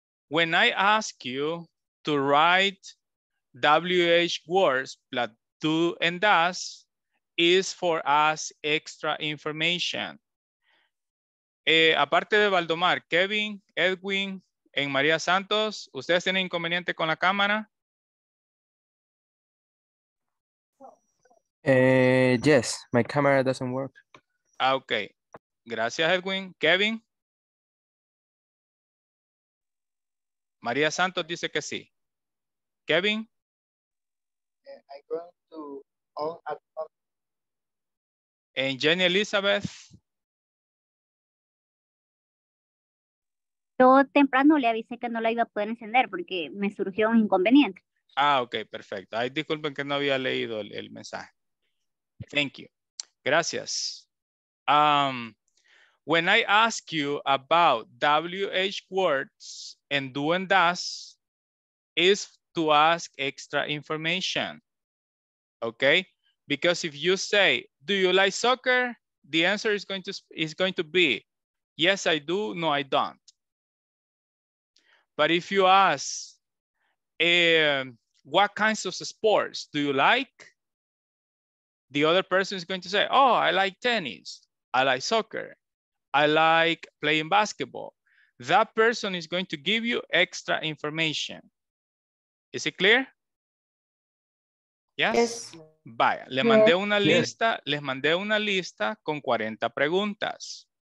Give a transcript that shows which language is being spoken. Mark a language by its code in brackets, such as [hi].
[en] When I ask you to write WH words, plus do and does, is for us extra information. [es] Aparte de Valdomar, Kevin, Edwin, en María Santos, ¿ustedes tienen inconveniente con la cámara? [en] Yes, my camera doesn't work. [es] Okay, gracias Edwin. Kevin. María Santos dice que sí. Kevin. [en] I'm going to on at home. And Jenny Elizabeth. [es] Yo temprano le avisé que no la iba a poder encender porque me surgió un inconveniente. Ah, ok, perfecto. Ay, disculpen que no había leído el mensaje. [en] Thank you. [es] Gracias. [en] When I ask you about WH words and do and does, is to ask extra information. Okay? Because if you say, do you like soccer? The answer is going to be, yes, I do. No, I don't. But if you ask, what kinds of sports do you like? The other person is going to say, oh, I like tennis. I like soccer. I like playing basketball. That person is going to give you extra information. Is it clear? Yes? Yes. [es] Vaya, le mandé una lista, les mandé una lista con 40 preguntas.